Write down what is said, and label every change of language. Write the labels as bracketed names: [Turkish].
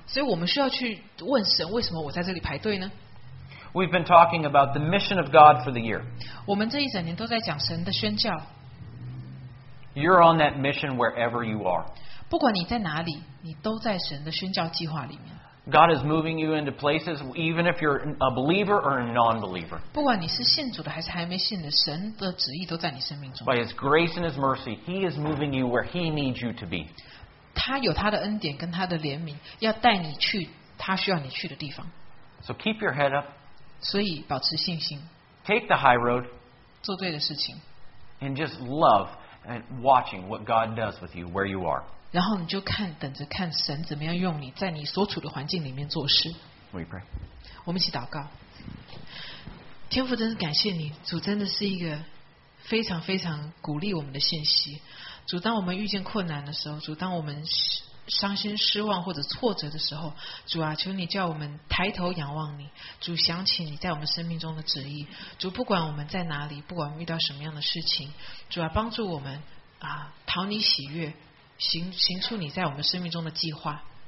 [Chinese] 所以我们需要去问神，为什么我在这里排队呢？ [English] We've been talking about the mission of God for the year. [Chinese] 我们这一整年都在讲神的宣教。 [English] You're on that mission wherever you are. [Chinese] 不管你在哪里，你都在神的宣教计划里面。 [English] God is moving you into places, even if you're a believer or a non-believer. [Chinese] 不管你是信主的还是还没信的，神的旨意都在你生命中。 [English] By His grace and His mercy, He is moving you where He needs you to be. [Chinese] 他有他的恩典跟他的怜悯，要带你去他需要你去的地方。 [English] So keep your head up. [Chinese] 所以保持信心 [English] Take the high road [Chinese] 做对的事情 [English] And just love and watching what God does with you where you are [Chinese] 然后你就看等着看神怎么样用你在你所处的环境里面做事 [English] We pray [Chinese] 我们一起祷告天父真是感谢你主真的是一个非常非常鼓励我们的信息主当我们遇见困难的时候主当我们伤心失望或者挫折的时候主啊求你叫我们抬头仰望你主想起你在我们生命中的旨意主不管我们在哪里不管我们遇到什么样的事情主啊帮助我们啊讨你喜悦 行出你在我们生命中的计划